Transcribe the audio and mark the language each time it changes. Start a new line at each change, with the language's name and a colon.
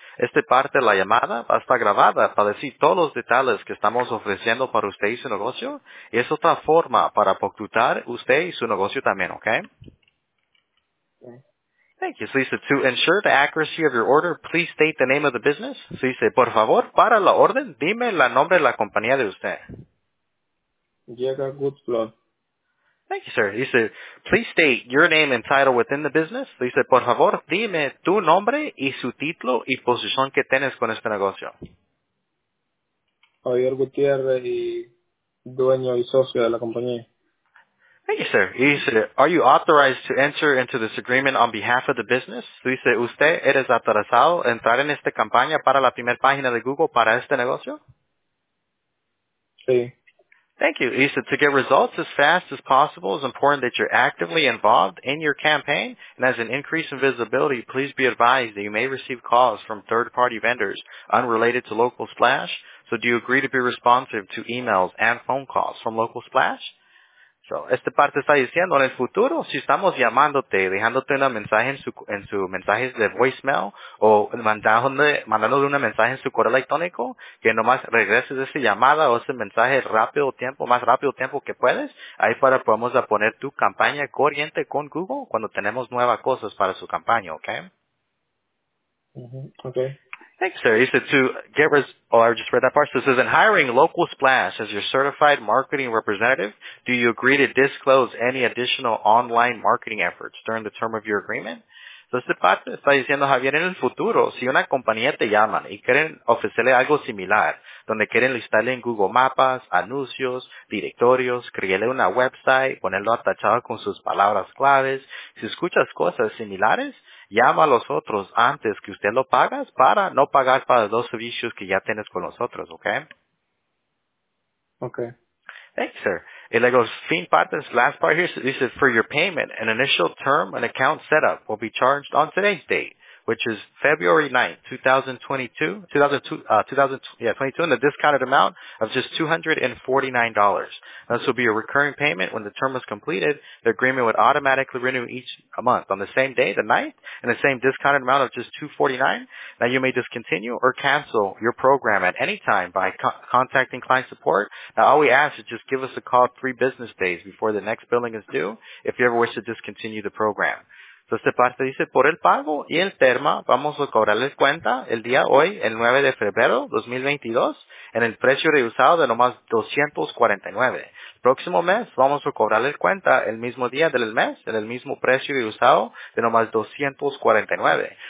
Spanish: Esta parte de la llamada va a estar grabada para decir todos los detalles que estamos ofreciendo para usted y su negocio. Y es otra forma para apoyar usted y su negocio también, okay?
English: Thank you. So he said, to ensure the accuracy of your order, please state the name of the business. So he said,
Spanish: por favor, para la orden, dime la nombre de la compañía de usted. Llega Goodflow.
English: Thank you, sir. He said, please state your name and title within the business. So he said,
Spanish: por favor, dime tu nombre y su título y posición que tienes con este negocio. Javier Gutiérrez, y dueño y socio de la compañía.
English: Thank you, sir. He said, are you authorized to enter into this agreement on behalf of the business? So he said,
Spanish: ¿usted eres autorizado a entrar en esta campaña para la primera página de Google para este negocio? Sí.
English: Thank you. He said, to get results as fast as possible, it's important that you're actively involved in your campaign. And as an increase in visibility, please be advised that you may receive calls from third-party vendors unrelated to Local Splash. So do you agree to be responsive to emails and phone calls from Local Splash?
Spanish: So, esta parte está diciendo, en el futuro, si estamos llamándote, dejándote un mensaje en su mensajes de voicemail, o mandándole un mensaje en su correo electrónico, que nomás regreses esa llamada o ese mensaje rápido tiempo, más rápido tiempo que puedes, ahí para podemos a poner tu campaña corriente con Google cuando tenemos nuevas cosas para su campaña, ¿ok?
English: Mm-hmm. Okay. Thanks, sir. He said to get I just read that part. So it says, in hiring Local Splash as your certified marketing representative, do you agree to disclose any additional online marketing efforts during the term of your agreement?
Spanish: So esta parte está diciendo, Javier, en el futuro, si una compañía te llama y quieren ofrecerle algo similar, donde quieren listarle en Google Mapas, anuncios, directorios, créele una website, ponerlo atachado con sus palabras claves, si escuchas cosas similares, llama a los otros antes que usted lo pagas para no pagar para los servicios que ya tienes con nosotros, ¿ok?
English: Okay. Thank you, sir.
Spanish: Y luego, fin parte,
English: last part here, this is for your payment. An initial term and account setup will be charged on today's date, which is February 9th, 2022, in the discounted amount of just $249. This will be a recurring payment. When the term is completed, the agreement would automatically renew each month on the same day, the 9th, and the same discounted amount of just $249. Now, you may discontinue or cancel your program at any time by contacting client support. Now, all we ask is just give us a call 3 business days before the next billing is due if you ever wish to discontinue the program.
Spanish: So, esta parte dice, por el pago y el termo, vamos a cobrarles cuenta el día hoy, el 9 de febrero 2022, en el precio reusado de nomás $249. El próximo mes, vamos a cobrarles cuenta el mismo día del mes, en el mismo precio reusado de nomás $249.